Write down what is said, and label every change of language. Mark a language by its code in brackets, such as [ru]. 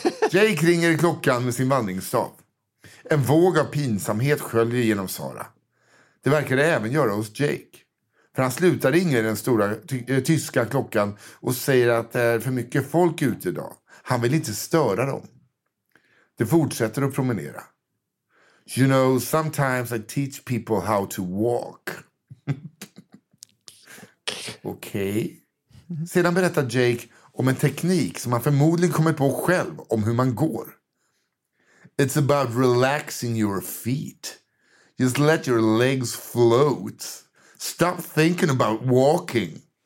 [sv] Jake ringer i klockan med sin vandringsstav. En våg av pinsamhet sköljer genom Sara. Det verkar det även göra hos Jake. För han slutar ringa i den stora tyska klockan och säger att det är för mycket folk ute idag. Han vill inte störa dem. De fortsätter att promenera. [en] You know, sometimes I teach people how to walk. [sv] Okej. Okay. Sedan berättar Jake om en teknik som man förmodligen kommer på själv om hur man går. [en] It's about relaxing your feet. Just let your legs float. Stop thinking about walking.